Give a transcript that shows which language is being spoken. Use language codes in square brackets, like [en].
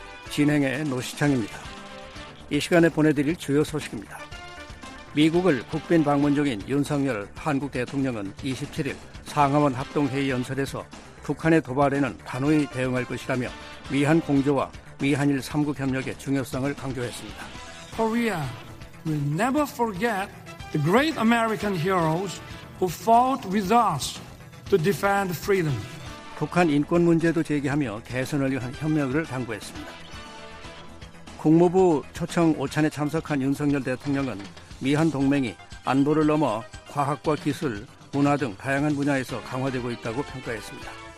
[ko] 진행의 노시창입니다. 이 시간에 보내드릴 주요 소식입니다. 미국을 국빈 방문 중인 윤석열 한국 대통령은 27일 상하원 합동회의 연설에서 북한의 도발에는 단호히 대응할 것이라며 미한 공조와 미한일 3국 협력의 중요성을 강조했습니다. [en] Korea will never forget the great American heroes who fought with us to defend freedom. [ko] 북한 인권 문제도 제기하며 개선을 위한 협력을 당부했습니다. 국무부 초청 오찬에 참석한 윤석열 대통령은 미한 동맹이 안보를 넘어 과학과 기술, 문화 등 다양한 분야에서 강화되고 있다고 평가했습니다.